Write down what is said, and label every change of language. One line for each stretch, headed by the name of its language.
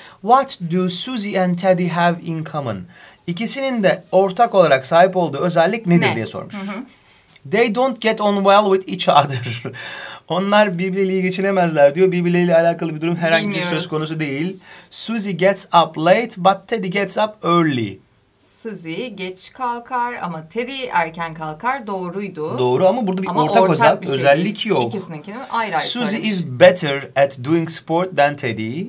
English: What do Suzy and Teddy have in common?
Turkish: İkisinin de ortak olarak sahip olduğu özellik nedir diye sormuş. Hı-hı.
English: They don't get on well with each other.
Turkish: Onlar birbirleriyle geçinemezler diyor. Birbirleriyle alakalı bir durum herhangi bir söz konusu değil.
English: Suzy gets up late but Teddy gets up early.
Turkish: Suzy geç kalkar ama Teddy erken kalkar. Doğruydu. Doğru ama burada bir ortak özellik şey yok. İkisininkini ayrı ayrı
English: Suzy is better at doing sport than Teddy.